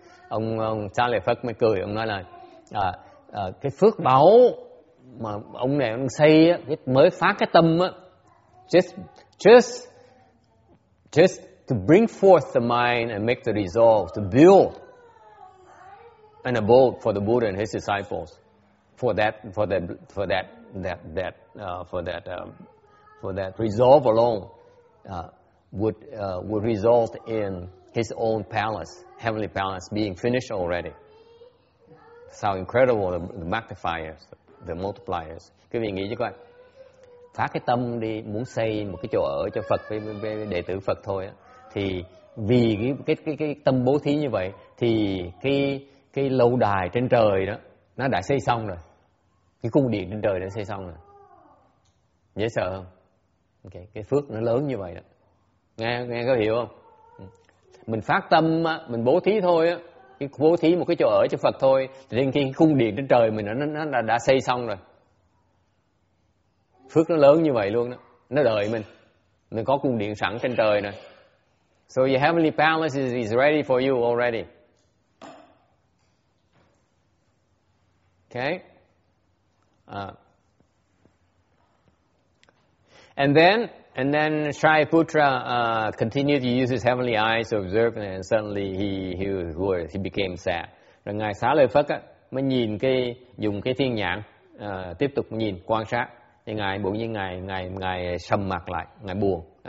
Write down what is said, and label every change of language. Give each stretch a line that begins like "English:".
Vietnamese: Ông Xá Lợi Phất mới cười, ông nói là cái phước báo mà ông này ông xây á, mới phát cái tâm á,
English: just to bring forth the mind and make the resolve to build an abode for the Buddha and his disciples, for that resolve alone would result in his own palace, heavenly palace, being finished already. How incredible the magnifiers, the multipliers.
Vietnamese: Quý vị nghĩ chứ coi, phát cái tâm đi muốn xây một cái chỗ ở cho Phật với đệ tử Phật thôi á, thì vì cái tâm bố thí như vậy thì cái lâu đài trên trời đó nó đã xây xong rồi, cái cung điện trên trời đã xây xong rồi. Dễ sợ không? Okay. Cái phước nó lớn như vậy đó. Nghe có hiểu không? Mình phát tâm á, mình bố thí thôi á, cái bố thí một cái chỗ ở cho Phật thôi, thì đến khi cung điện trên trời mình nó đã xây xong rồi, phước nó lớn như vậy luôn đó. Nó đợi mình có cung điện sẵn trên trời rồi.
English: So your heavenly palace is ready for you already. Okay. And then Shariputra continued to use his heavenly eyes to observe, and suddenly he became sad.
Vietnamese: Rồi ngài Xá Lợi Phất á mới nhìn dùng cái thiên nhãn tiếp tục nhìn quan sát. Thì ngài bỗng nhiên ngài sầm mặt lại, ngài buồn.